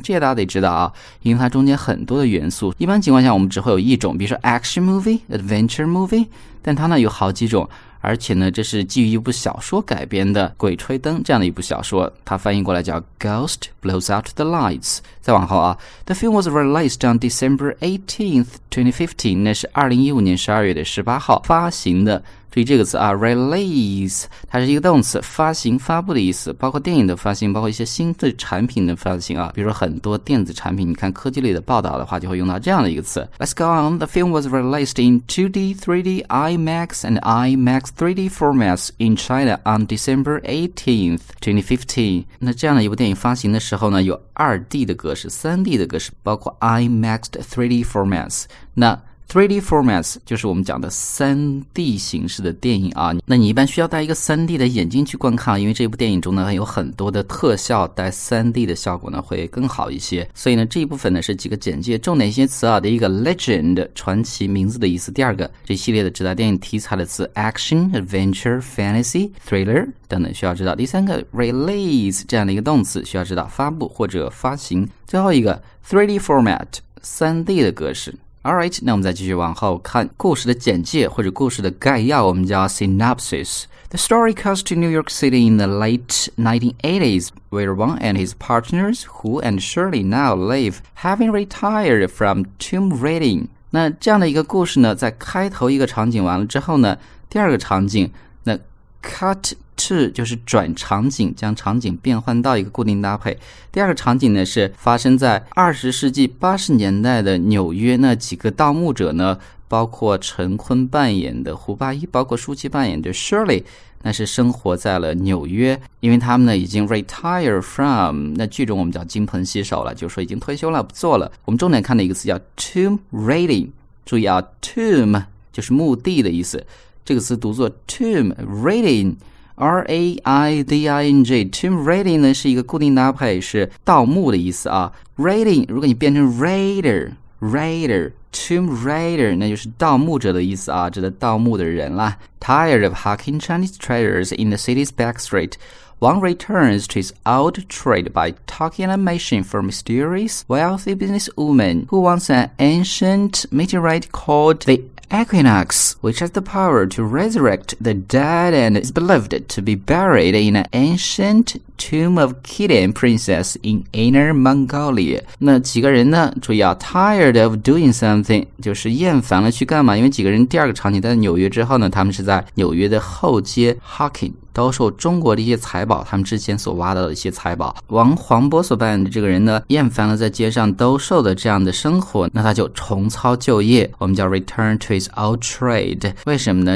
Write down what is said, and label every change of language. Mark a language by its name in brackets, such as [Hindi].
[Chinese] 这大家得知道啊，因为它中间很多的元素。一般情况下，我们只会有一种，比如说 action movie、adventure movie， 但它呢有好几种。而且呢，这是基于一部小说改编的《鬼吹灯》这样的一部小说，它翻译过来叫 Ghost Blows Out the Lights。再往后啊， [English] The film was released on December 18th, 2015， [Chinese] 那是2015年12月的18号发行的。注意这个词啊， release， 它是一个动词，发行发布的意思，包括电影的发行，包括一些新的产品的发行啊，比如说很多电子产品，你看科技类的报道的话就会用到这样的一个词。 [English] Let's go on. The film was released in 2D, 3D, IMAX and IMAX 3D formats in China on December 18th, 2015。 [Chinese] 那这样的一部电影发行的时候呢，有 2D 的格式， 3D 的格式，包括 IMAX 的 3D formats。那3D formats 就是我们讲的 3D 形式的电影啊，那你一般需要戴一个 3D 的眼镜去观看，因为这部电影中呢有很多的特效，戴 3D 的效果呢会更好一些。所以呢这一部分呢是几个简介重点一些词啊，第一个 legend 传奇名字的意思，第二个这系列的指代电影题材的词 action adventure fantasy thriller 等等需要知道，第三个 release 这样的一个动词需要知道，发布或者发行，最后一个 3D format 3D 的格式。 Alright, 那我们再继续往后看故事的简介或者故事的概要，我们叫 synopsis. [English] The story comes to New York City in the late 1980s, where Wang and his partners, Hu and Shirley now live, having retired from tomb raiding. [Chinese] 那这样的一个故事呢，在开头一个场景完了之后呢，第二个场景，那 cut to 就是转场景，将场景变换到一个固定搭配。第二个场景呢是发生在20世纪80年代的纽约，那几个盗墓者呢，包括陈坤扮演的胡八一，包括舒淇扮演的 Shirley，那是生活在了纽约，因为他们呢已经 retire from， 那剧中我们叫金盆洗手了，就是说已经退休了，不做了。我们重点看的一个词叫 tomb raiding， 注意啊， tomb 就是墓地的意思，这个词读作 tomb raiding，R-A-I-D-I-N-G Tomb Raiding 呢是一个固定搭配，是盗墓的意思啊。 Raiding 如果你变成 Raider Tomb Raider 那就是盗墓者的意思啊，指的盗墓的人啦。 [English] Tired of hawking Chinese treasures in the city's back street, Wang returns to his old trade by talking animation for a mysterious wealthy businesswoman who wants an ancient meteorite called theEquinox, which has the power to resurrect the dead and is believed to be buried in an ancient tomb of Kidin Princess in Inner Mongolia. [Chinese] 那几个人呢，注意啊， tired of doing something 就是厌烦了去干嘛，因为几个人第二个场景在纽约之后呢，他们是在纽约的后街 Hawking 兜售中国的一些财宝，他们之前所挖到的一些财宝。王黄渤所扮演的这个人呢，厌烦了在街上兜售的这样的生活，那他就重操旧业，我们叫 [English] returnTo his old trade， [Chinese] 为什么呢？